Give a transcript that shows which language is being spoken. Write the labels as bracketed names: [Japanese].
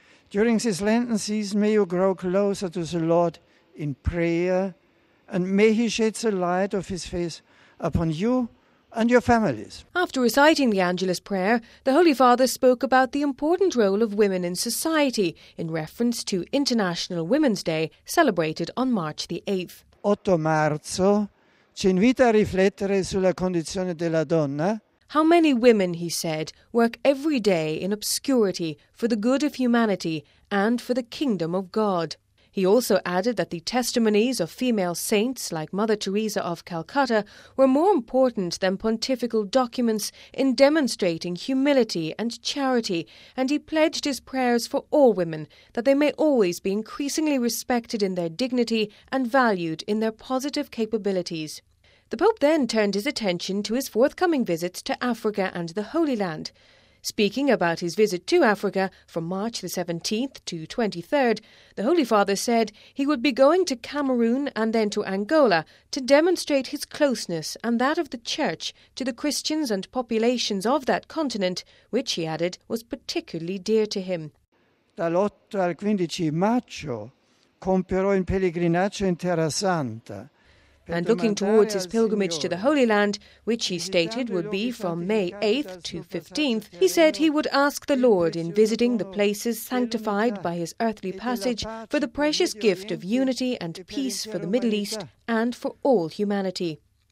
[English] During this Lenten season, may you grow closer to the Lord in prayer, and may he shed the light of his face upon you and your families. After reciting the Angelus prayer, the Holy Father spoke about the important role of women in society in reference to International Women's Day, celebrated on March the 8th. [Italian] 8 marzo ci invita a riflettere sulla condizione della donna. [English] How many women, he said, work every day in obscurity for the good of humanity and for the kingdom of God. He also added that the testimonies of female saints like Mother Teresa of Calcutta were more important than pontifical documents in demonstrating humility and charity, and he pledged his prayers for all women, that they may always be increasingly respected in their dignity and valued in their positive capabilities. The Pope then turned his attention to his forthcoming visits to Africa and the Holy Land. Speaking about his visit to Africa from March the 17th to 23rd, the Holy Father said he would be going to Cameroon and then to Angola to demonstrate his closeness and that of the Church to the Christians and populations of that continent, which, he added, was particularly dear to him. [Italian] Dall'8 al 15 maggio compierò un pellegrinaggio in Terra Santa. [English] And looking towards his pilgrimage to the Holy Land, which he stated would be from May 8th to 15th, he said he would ask the Lord in visiting the places sanctified by his earthly passage for the precious gift of unity and peace for the Middle East and for all humanity.